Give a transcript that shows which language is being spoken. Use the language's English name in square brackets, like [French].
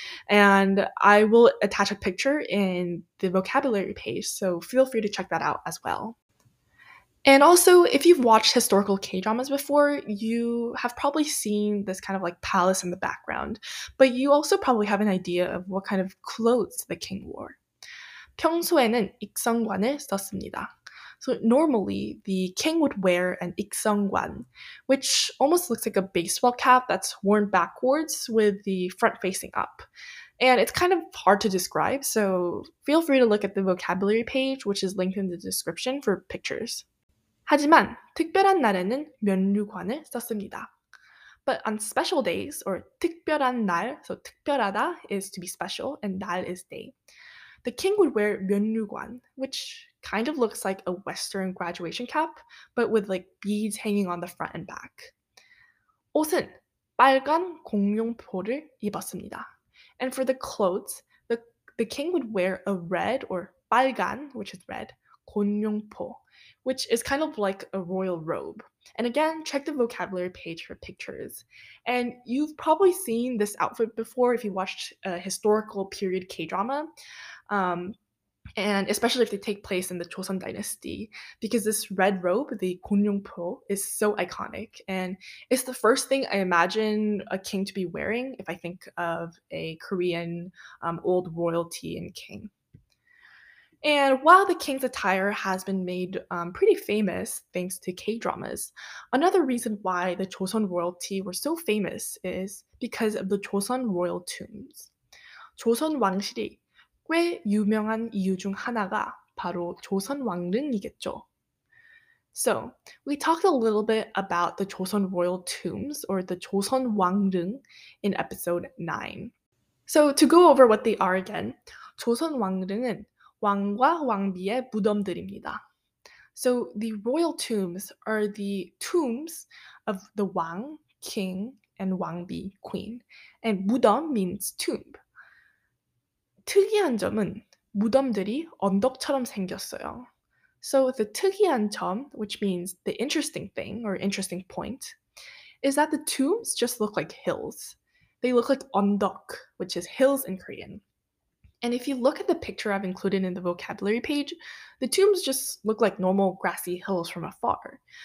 [English] And I will attach a picture in the vocabulary page, so feel free to check that out as well. And also, if you've watched historical K-dramas before, you have probably seen this kind of like palace in the background, but you also probably have an idea of what kind of clothes the king wore. [Korean] 평소에는 익성관을 썼습니다. [English] So normally, the king would wear an 익성관, which almost looks like a baseball cap that's worn backwards with the front facing up. And it's kind of hard to describe, so feel free to look at the vocabulary page, which is linked in the description for pictures. [Korean] 하지만 특별한 날에는 면류관을 썼습니다. [English] But on special days, or 특별한 날, so 특별하다 is to be special, and 날 is day. The king would wear 면류관, which kind of looks like a Western graduation cap, but with like beads hanging on the front and back. [Korean] 옷은 빨간 공용포를 입었습니다. [English] And for the clothes, the king would wear a red, or 빨간, which is red, 곤룡포, which is kind of like a royal robe. And again, check the vocabulary page for pictures. And you've probably seen this outfit before if you watched a historical period K-drama, and especially if they take place in the Joseon dynasty, because this red robe, the 곤룡포, is so iconic. And it's the first thing I imagine a king to be wearing if I think of a Korean old royalty and king. And while the king's attire has been made pretty famous thanks to K-dramas, another reason why the Joseon royalty were so famous is because of the Joseon royal tombs. [Korean] 조선 왕실이 꽤 유명한 이유 중 하나가 바로 조선 왕릉이겠죠. [English] So, we talked a little bit about the Joseon royal tombs, or the Joseon 왕릉, in episode 9. So, to go over what they are again, [Korean] 조선 왕릉은 왕과 왕비의 무덤들입니다. [English] So, the royal tombs are the tombs of the 왕, king, and 왕비, queen. And 무덤 means tomb. [Korean] 특이한 점은 무덤들이 언덕처럼 생겼어요. [English] So the 특이한 점, which means the interesting thing or interesting point, is that the tombs just look like hills. They look like 언덕, which is hills in Korean. And if you look at the picture I've included in the vocabulary page, the tombs just look like normal grassy hills from afar.